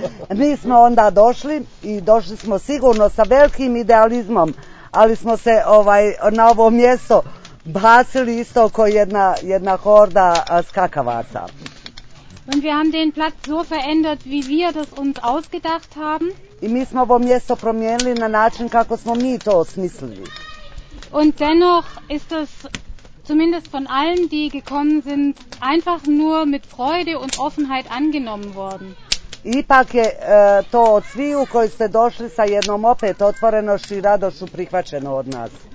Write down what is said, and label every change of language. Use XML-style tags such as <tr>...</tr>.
<bs>Mi smo onda došli i došli smo sigurno sa velikim idealizmom, ali smo se na ovo mjesto bacili isto ko jedna horda skakavaca.</bs> <de>Und wir haben den Platz so verändert, wie wir das uns ausgedacht haben.</de> <bs>I mi smo ovo mjesto promijenili na način kako smo mi to osmislili.</bs> <de>Und dennoch ist es zumindest von allen, die gekommen sind, einfach nur mit Freude und Offenheit angenommen worden.</de> <bs>Ipak je to od sviju koji ste došli sa jednom opet otvorenošću i radošću prihvaćeno od nas.</bs>